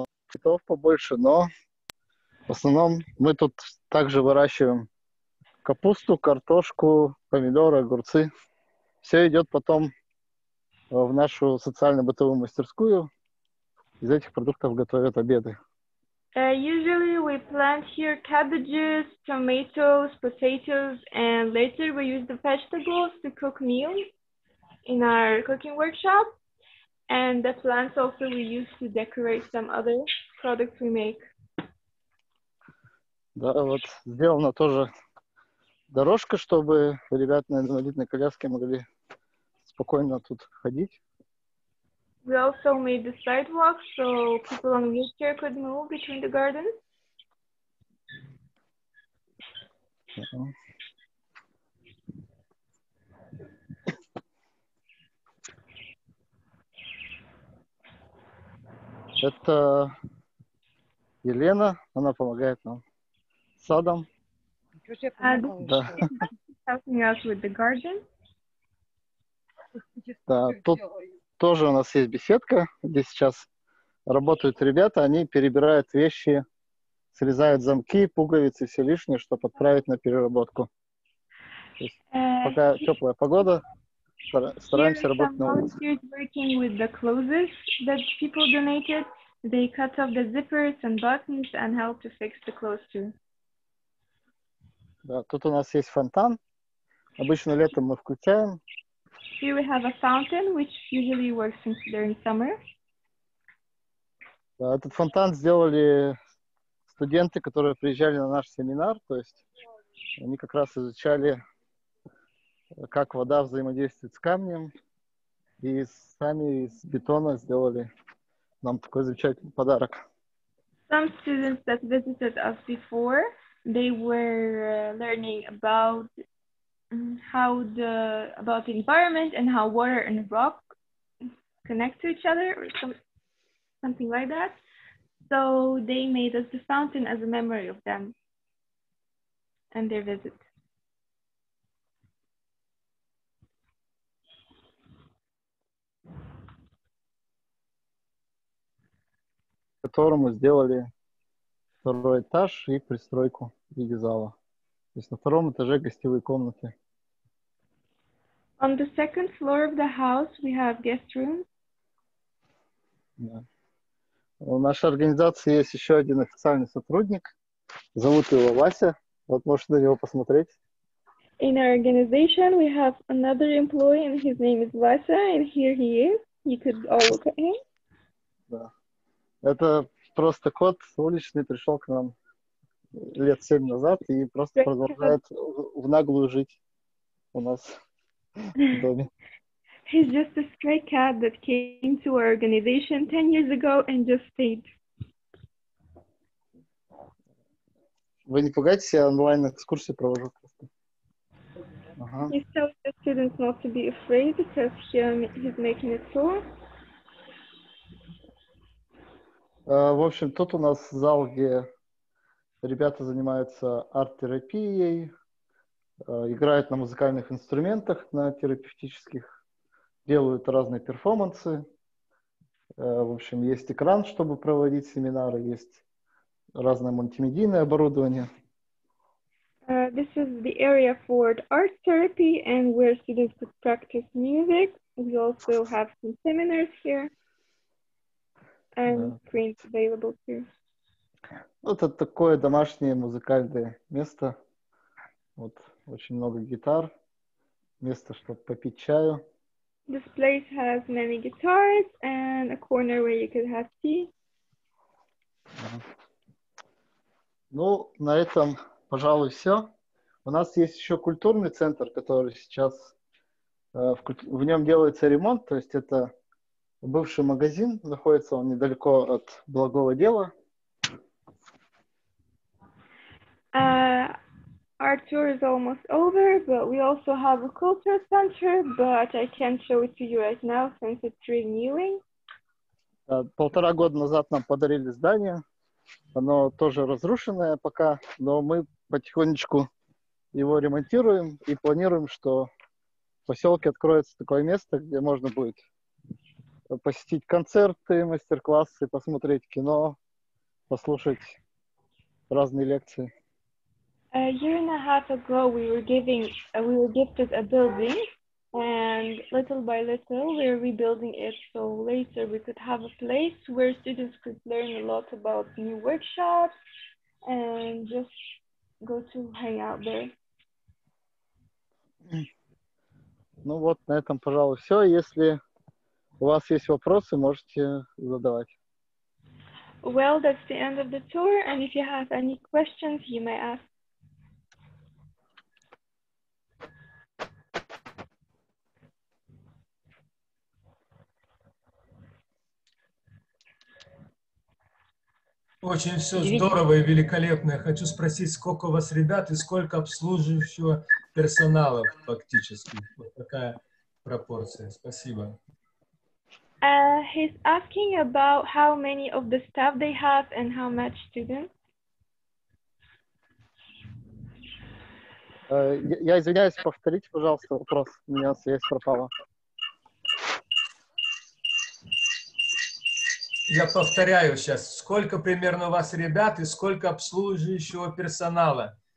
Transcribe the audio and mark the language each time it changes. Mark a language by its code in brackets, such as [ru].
[ru] Цветов побольше, но в основном мы тут также выращиваем капусту, картошку, помидоры, огурцы. Все идет потом в нашу социально-бытовую мастерскую. Из этих продуктов готовят обеды. [en] Usually we plant here cabbages, tomatoes, potatoes, and later we use the vegetables to cook meals in our cooking workshop. And the plants also we use to decorate some other products we make. [ru] Да, вот сделана тоже дорожка, чтобы ребята на инвалидной коляске могли с спокойно тут ходить. [en] We also made the sidewalk so people on wheelchair could move between the gardens. [ru] Это Елена, она помогает нам с садом. Да. [en] Helping us with the garden. [ru] Да, тут тоже у нас есть беседка, где сейчас работают ребята, они перебирают вещи, срезают замки, пуговицы, все лишнее, чтобы отправить на переработку. Пока теплая погода, стараемся работать на улице. [en] Here are some volunteers working with the clothes that people donated. They cut off the zippers and buttons and help to fix the clothes too. [ru] Да, тут у нас есть фонтан. Обычно летом мы включаем. [en] Here we have a fountain, which usually works during summer. [ru] Да, этот фонтан сделали студенты, которые приезжали на наш семинар, то есть они как раз изучали, как вода взаимодействует с камнем, и сами из бетона сделали нам такой замечательный подарок. [en] Some students that visited us before, they were learning about how the about the environment and how water and rock connect to each other or something like that. So they made us the fountain as a memory of them and their visit. [ru] Которому сделали второй этаж и пристройку в виде зала. То есть на втором этаже гостевые комнаты. [en] On the second floor of the house we have guest rooms. [ru] Да. У нашей организации есть еще один официальный сотрудник. Зовут его Вася. Вот можешь на него посмотреть. [en] In our organization we have another employee and his name is Vasya and here he is. You could all look at him. [ru] Да. Это просто кот уличный, пришел к нам лет 7 назад и просто продолжает в наглую жить у нас в доме. [en] He's just a stray cat that came to our organization 10 years ago and just stayed. [ru] Вы не пугайтесь, я онлайн экскурсии провожу просто. [en] He's telling the students not to be afraid because he's making a tour. [ru] В общем, тут у нас зал, где ребята занимаются арт-терапией, играют на музыкальных инструментах, на терапевтических, делают разные перформансы. В общем, есть экран, чтобы проводить семинары, есть разное мультимедийное оборудование. [en] This is the area for art therapy and where students could practice music. We also have some seminars here. And screens available too. [ru] Вот это такое домашнее музыкальное место. Вот очень много гитар. Место, чтобы попить чаю. [en] This place has many guitars and a corner where you could have tea. [ru] Ну, на этом, пожалуй, все. У нас есть еще культурный центр, который сейчас в нем делается ремонт, то есть это бывший магазин, находится он недалеко от Благого Дела. [en] Our tour is almost over, but we also have a culture center, but I can't show it to you right now, since it's renewing. [ru] Полтора года назад нам подарили здание. Оно тоже разрушенное пока, но мы потихонечку его ремонтируем и планируем, что в поселке откроется такое место, где можно будет посетить концерты, мастер-классы, посмотреть кино, послушать разные лекции. [en] A year and a half ago we were gifted a building and little by little we're rebuilding it so later we could have a place where students could learn a lot about new workshops and just go to hang out there. [ru] Ну вот, на этом, пожалуй, все. Если у вас есть вопросы, можете задавать. [en] Well, that's the end of the tour, and if you have any questions, you may ask. [ru] Очень все здорово и великолепно. Я хочу спросить, сколько у вас ребят и сколько обслуживающего персонала фактически? Вот такая пропорция. Спасибо. [en] He's asking about how many of the staff they have and how much students. [ru] Я извиняюсь, повторите, пожалуйста, вопрос. У меня связь пропала. Я повторяю сейчас. Сколько примерно у вас ребят и сколько обслуживающего персонала?